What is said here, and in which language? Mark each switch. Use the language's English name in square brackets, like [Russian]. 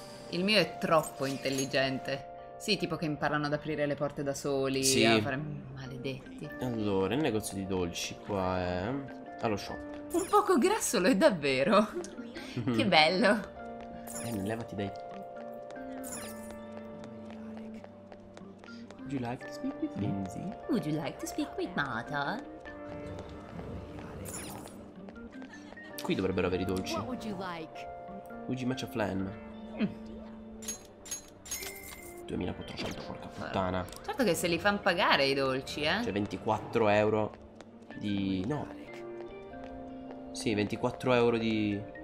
[Italian] Il mio è troppo intelligente. Sì, tipo che imparano ad aprire le porte da soli, sì. A fare maledetti. Allora, il negozio di dolci qua è... allo shop. Un poco grasso lo è davvero. Che bello. Levati dai. [English] Would you like to speak with Lindsay? Would you like to speak with Mata? [Italian] Qui dovrebbero avere i dolci. [English] What would you like? Would you match a flan? [Italian] 2400, porca puttana. Certo che se li fanno pagare i dolci, eh. Cioè 24 euro di... no. Sì, 24 euro di...